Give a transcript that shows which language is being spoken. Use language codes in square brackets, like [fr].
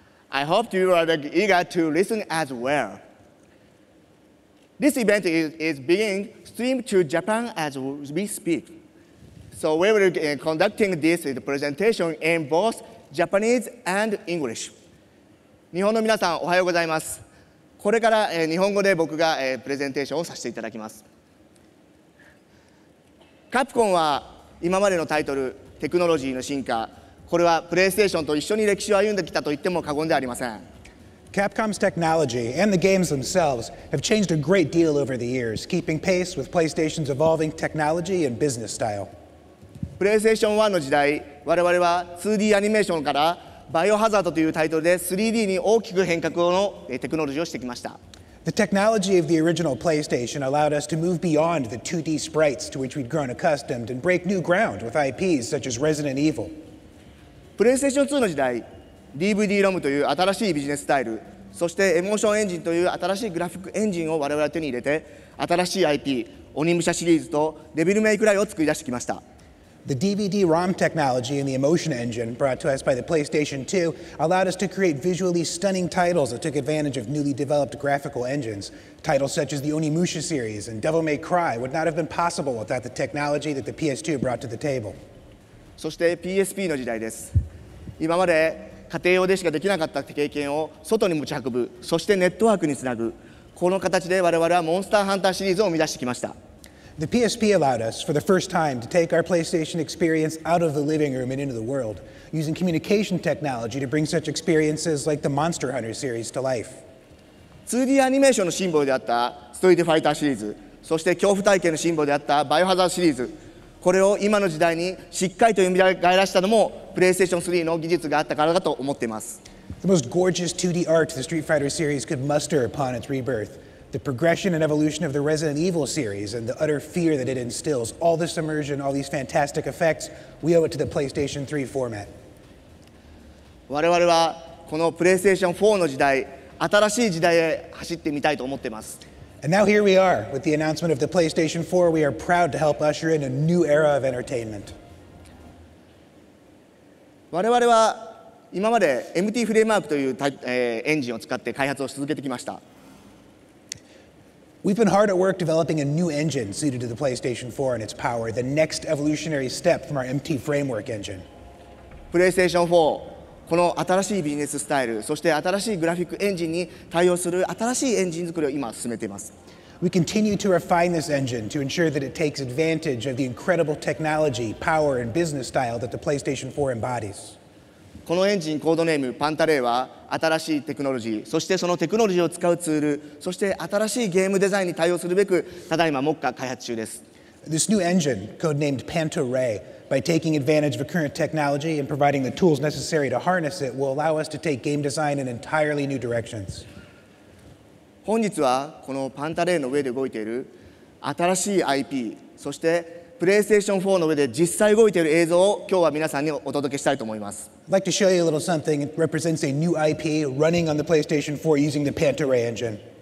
[en] I hope you are eager to listen as well. This event is being streamed to Japan as we speak. So we will be conducting this presentation in both Japanese and English. [ja] 日本の皆さん、おはようございます。これから日本語で僕がプレゼンテーションをさせていただきます。カプコンは今までのタイトル、テクノロジーの進化、これはプレイステーションと一緒に歴史を歩んできたと言っても過言ではありません。 [en] Capcom's technology and the games themselves have changed a great deal over the years, keeping pace with PlayStation's evolving technology and business style. [ja] PlayStation 1の時代、我々は 2D アニメーションからバイオハザードというタイトルで 3D に大きく変革のテクノロジーをしてきました。 [en] The technology of the original PlayStation allowed us to move beyond the 2D sprites to which we'd grown accustomed and break new ground with IPs such as Resident Evil. [ja] PlayStation 2の時代、DVD-ROM という新しいビジネススタイル、そしてエモーションエンジンという新しいグラフィックエンジンを我々は手に入れて、新しい IP、鬼武者シリーズとデビルメイクライを作り出してきました。 [en] The DVD-ROM technology and the emotion engine brought to us by the PlayStation 2 allowed us to create visually stunning titles that took advantage of newly developed graphical engines. Titles such as the Onimusha series and Devil May Cry would not have been possible without the technology that the PS2 brought to the table. [ja] そして PSP の時代です。今まで家庭用でしかできなかった経験を外に持ち運ぶ、そしてネットワークにつなぐ。この形で我々はモンスターハンターシリーズを生み出してきました。 [en] The PSP allowed us, for the first time, to take our PlayStation experience out of the living room and into the world, using communication technology to bring such experiences like the Monster Hunter series to life. [ja] 2D アニメーションのシンボルであったストリートファイターシリーズ、そして恐怖体験のシンボルであったバイオハザードシリーズ、これを今の時代にしっかりと読み返らしたのも PlayStation 3の技術があったからだと思っています。 [en] The most gorgeous 2D art the Street Fighter series could muster upon its rebirth. The progression and evolution of the Resident Evil series and the utter fear that it instills, all this immersion, all these fantastic effects, we owe it to the PlayStation 3 format. [ja] 我々はこの PlayStation 4の時代、新しい時代へ走ってみたいと思っています。 [en] And now here we are, with the announcement of the PlayStation 4, we are proud to help usher in a new era of entertainment. [ja] 我々は今まで MT フレームワークというエンジンを使って開発を続けてきました。 [en] We've been hard at work developing a new engine suited to the PlayStation 4 and its power, the next evolutionary step from our MT framework engine. [ja] PlayStation 4, この新しいビジネススタイル、そして新しいグラフィックエンジンに対応する新しいエンジン作りを今進めています。 [en] We continue to refine this engine to ensure that it takes advantage of the incredible technology, power, and business style that the PlayStation 4 embodies. [ja] このエンジンコードネームパンタレイは新しいテクノロジー、そしてそのテクノロジーを使うツール、そして新しいゲームデザインに対応するべく、ただいま目下開発中です。 [en] This new engine, codenamed Pantarei, By taking advantage of the current technology and providing the tools necessary to harness it will allow us to take game design in entirely new directions. [ja] 本日はこのパンタレイの上で動いている新しい IP、そしてプレイステーション4の上で実際動いている映像を今日は皆さんにお届けしたいと思います。 [en] I'd like to show you a little something. It represents a new IP running on the PlayStation 4 using the Pantare engine.